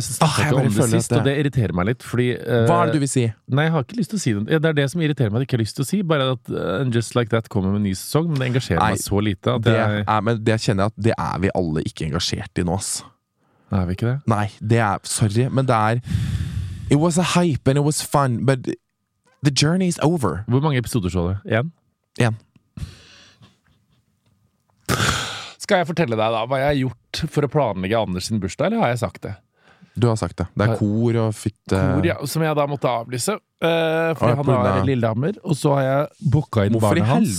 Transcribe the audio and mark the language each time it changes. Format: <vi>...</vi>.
<no>Jeg snakket ikke om det sist, det, og det irriterer meg litt. Fordi, hva er det du vil si? Nei, jeg har ikke lyst til å si det. Det er det som irriterer meg, jeg ikke har lyst til å si. Bare at Just Like That kommer med en ny sesong, men det engasjerer meg så lite. Men det kjenner jeg at det er vi alle ikke engasjert i nå, ass. Er vi ikke det? Nei, det er, sorry, men det er,</no> <en>it was a hype and it was fun, but the journey is over.</en> <no>Hvor mange episoder så du? En? En. Skal jeg fortelle deg da hva jeg har gjort for å planlegge Anders sin bursdag, eller har jeg sagt det? Du har sagt det. Det er kor og fitte. Kor, ja, som jeg da måtte avlyse. Fordi han har Lillehammer, og så har jeg boket inn barnet hans.</no>